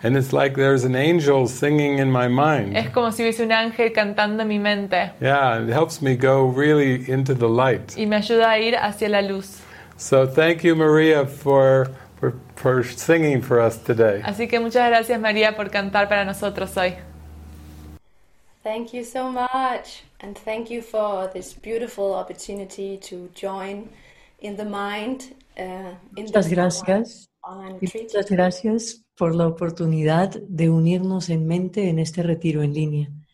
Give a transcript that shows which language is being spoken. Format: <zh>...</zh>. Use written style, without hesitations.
<en>And it's like there's an angel singing in my mind.</en> <es>Es como si hubiese un ángel cantando en mi mente.</es> <en>Yeah, it helps me go really into the light.</en> <es>Y me ayuda a ir hacia la luz.</es> <en>So thank you, Maria, for singing for us today.</en> <es>Así que muchas gracias, María, por cantar para nosotros hoy.</es> <en>Thank you so much, and thank you for this beautiful opportunity to join in the mind.</en> <es>Muchas gracias. Muchas gracias por la oportunidad de unirnos en mente en este retiro en línea.</es>